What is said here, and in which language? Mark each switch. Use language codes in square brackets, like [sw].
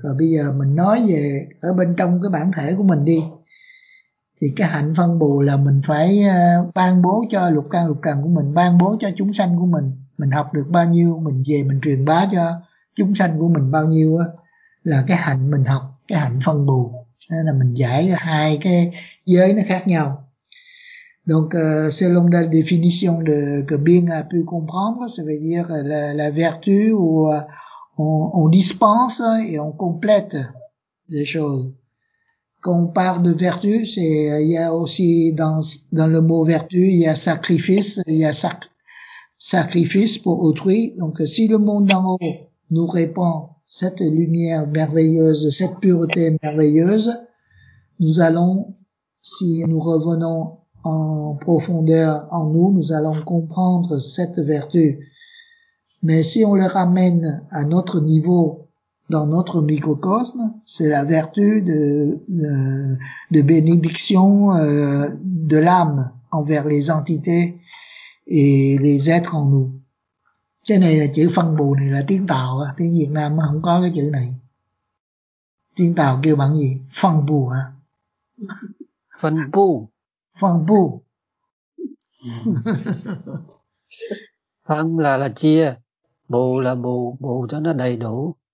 [vi] Rồi bây giờ mình nói về ở bên trong cái bản thể của mình đi, thì cái hạnh phân bù là mình phải ban bố cho lục căn lục trần của mình, ban bố cho chúng sanh của mình. Mình học được bao nhiêu, mình về mình truyền bá cho chúng sanh của mình bao nhiêu á, là cái hạnh mình học, cái hạnh phân bù. Nên là mình giải hai cái giới nó khác nhau. [fr] Donc, selon la définition de que bien a pu comprendre, ça veut dire la vertu ou on dispense et on complète des choses. Quand on parle de vertu, c'est, il y a aussi dans le mot vertu, il y a sacrifice, sacrifice pour autrui. Donc, si le monde d'en haut nous répand cette lumière merveilleuse, cette pureté merveilleuse, nous allons, si nous revenons en profondeur en nous, nous allons comprendre cette vertu Mais si on le ramène à notre niveau, dans notre microcosme, c'est la vertu de bénédiction de l'âme envers les entités et les êtres en nous. [vi] Cái này là chữ phân bù này là tiếng Tàu, tiếng Việt Nam không có cái chữ này. Tiếng Tàu kêu bằng gì? Phân bù hả? Phân bù. Phân bù. Phân là chia, bù là bù cho nó đầy đủ.